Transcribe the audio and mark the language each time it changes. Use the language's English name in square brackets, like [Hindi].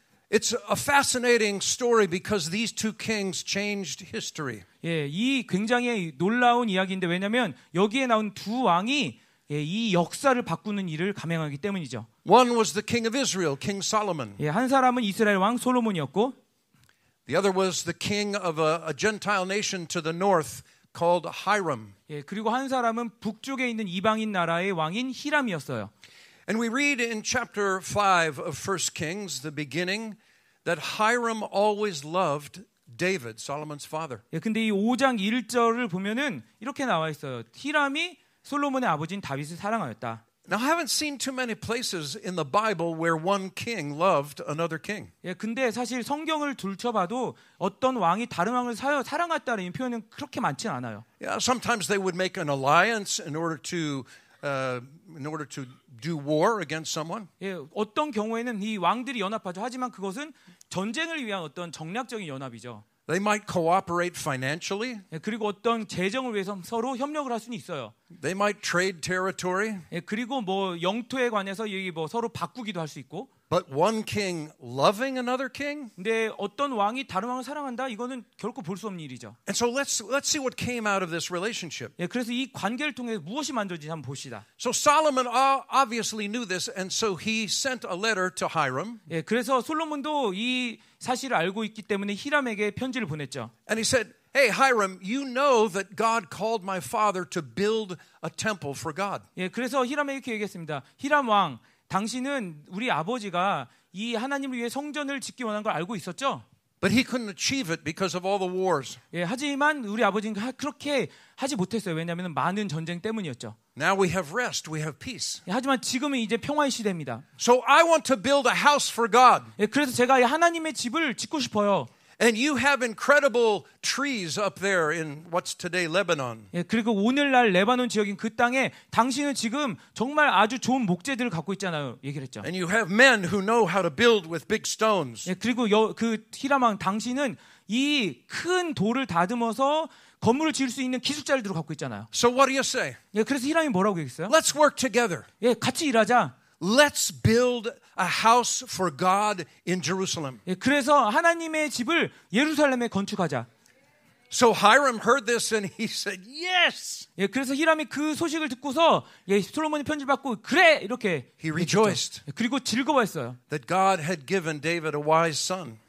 [English] It's a fascinating story because these two kings changed history. [Korean] 예, 이 굉장히 놀라운 이야기인데 왜냐면 여기에 나온 두 왕이 예, 이 역사를 바꾸는 일을 감행하기 때문이죠. [English] One was the king of Israel, King Solomon. [Korean] 예, 한 사람은 이스라엘 왕 솔로몬이었고 [English] The other was the king of a Gentile nation to the north called Hiram. [Korean] 예, 그리고 한 사람은 북쪽에 있는 이방인 나라의 왕인 히람이었어요. [English] And we read in chapter 5 of 1 Kings, the beginning, that Hiram always loved David, Solomon's father. [Korean] 예, 근데 이 5장 1절을 보면은 이렇게 나와 있어요. 히람이 솔로몬의 아버지인 다윗을 사랑하였다. [English] Now I haven't seen too many places in the Bible where one king loved another king. [Korean] 예, 근데 사실 성경을 둘러봐도 어떤 왕이 다른 왕을 사랑했다는 표현은 그렇게 많지는 않아요. [English] Yeah, sometimes they would make an alliance in order to do war against someone. [Korean] 예, 어떤 경우에는 이 왕들이 연합하죠. 하지만 그것은 전쟁을 위한 어떤 정략적인 연합이죠. [English] They might cooperate financially. [Korean] 예, 그리고 어떤 재정을 위해서 서로 협력을 할 수는 있어요. [English] They might trade territory. [Korean] 예, 그리고 뭐 영토에 관해서 얘기 뭐 서로 바꾸기도 할 수 있고. [English] But one king loving another king? [Korean] 근데 어떤 왕이 다른 왕을 사랑한다? 이거는 결코 볼 수 없는 일이죠. [English] And so let's see what came out of this relationship. [Korean] 예, 그래서 이 관계를 통해 무엇이 만들어진지 한번 봅시다. [English] So Solomon obviously knew this and so he sent a letter to Hiram. [Korean] 예, 그래서 솔로몬도 이 사실을 알고 있기 때문에 히람에게 편지를 보냈죠. [English] And he said, "Hey Hiram, you know that God called my father to build a temple for God." [Korean] 예, 그래서 히람에게 이렇게 얘기했습니다. 히람 왕 당신은 우리 아버지가 이 하나님을 위해 성전을 짓기 원한 걸 알고 있었죠? [English] But he couldn't achieve it because of all the wars. [Korean] 예, 하지만 우리 아버지는 그렇게 하지 못했어요. 왜냐하면 많은 전쟁 때문이었죠. [English] Now we have rest, we have peace. [Korean] 예, 하지만 지금은 이제 평화의 시대입니다. [English] So I want to build a house for God. [Korean] 예, 그래서 제가 하나님의 집을 짓고 싶어요. [English] And you have incredible trees up there in what's today Lebanon. [Korean] 예, 그리고 오늘날 레바논 지역인 그 땅에 당신은 지금 정말 아주 좋은 목재들을 갖고 있잖아요. 얘기를 했죠. [English] And you have men who know how to build with big stones. [Korean] 예, 그리고 그 히라망 당신은 이 큰 돌을 다듬어서 건물을 지을 수 있는 기술자들을 갖고 있잖아요. [English] So what do you say? [Korean] 예, 그래서 히라망이 뭐라고 얘기했어요? [English] Let's work together. [Korean] 예, 같이 일하자. [English] Let's build a house for God in Jerusalem. [Korean] 예, 그래서 하나님의 집을 예루살렘에 건축하자. [English] So Hiram heard this and he said, "Yes." [Korean] 예, 그래서 히람이 그 소식을 듣고서 예, 솔로몬이 편지 받고 그래 이렇게. [English] He rejoiced. [Korean] 예, 그리고 즐거워했어요. [English] That God had given David a wise son.